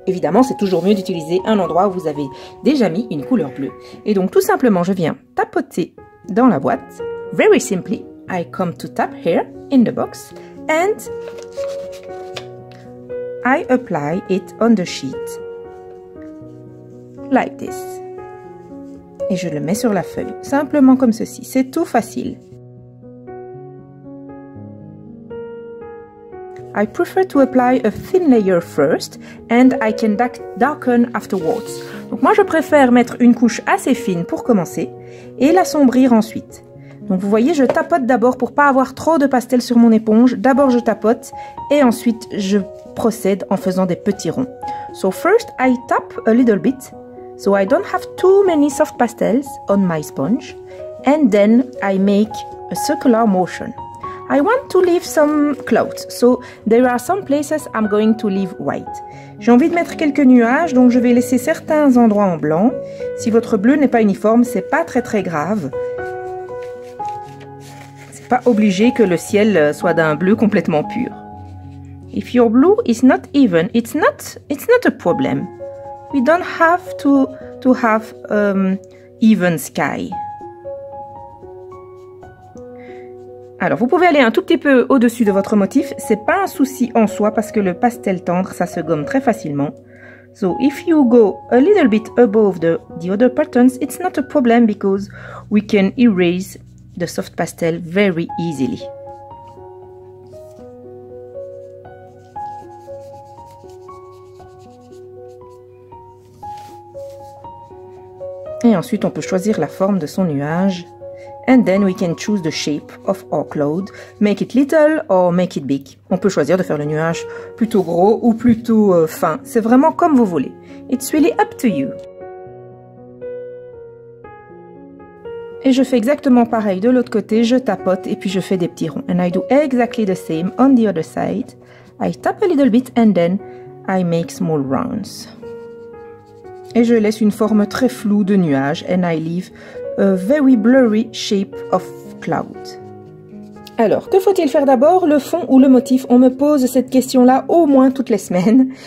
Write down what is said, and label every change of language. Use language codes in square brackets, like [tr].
[fr] Évidemment, c'est toujours mieux d'utiliser un endroit où vous avez déjà mis une couleur bleue. Et donc, tout simplement, je viens tapoter dans la boîte. [en] Very simply, I come to tap here in the box, and I apply it on the sheet. Like this. [fr] Et je le mets sur la feuille, simplement comme ceci. C'est tout facile. [en] I prefer to apply a thin layer first and I can darken afterwards. [fr] Donc moi je préfère mettre une couche assez fine pour commencer et l'assombrir ensuite. Donc vous voyez, je tapote d'abord pour pas avoir trop de pastels sur mon éponge. D'abord je tapote et ensuite je procède en faisant des petits ronds. [en] So first I tap a little bit. So I don't have too many soft pastels on my sponge. And then I make a circular motion. I want to leave some clouds. So there are some places I'm going to leave white. [fr] J'ai envie de mettre quelques nuages, donc je vais laisser certains endroits en blanc. Si votre bleu n'est pas uniforme, c'est pas très très grave. C'est pas obligé que le ciel soit d'un bleu complètement pur. [en] If your blue is not even, it's not a problem. We don't have to have even sky. [fr] Alors, vous pouvez aller un tout petit peu au-dessus de votre motif. C'est pas un souci en soi parce que le pastel tendre, ça se gomme très facilement. [en] So, if you go a little bit above the other patterns, it's not a problem because we can erase the soft pastel very easily. [fr] Et ensuite, on peut choisir la forme de son nuage. [en] And then we can choose the shape of our cloud. Make it little or make it big. [fr] On peut choisir de faire le nuage plutôt gros ou plutôt fin. C'est vraiment comme vous voulez. [en] It's really up to you. [fr] Et je fais exactement pareil de l'autre côté. Je tapote et puis je fais des petits ronds. [en] And I do exactly the same on the other side. I tap a little bit and then I make small rounds. [fr] Et je laisse une forme très floue de nuage. [en] And I leave a very blurry shape of cloud. [fr] Alors, que faut-il faire d'abord, le fond ou le motif? On me pose cette question-là au moins toutes les semaines.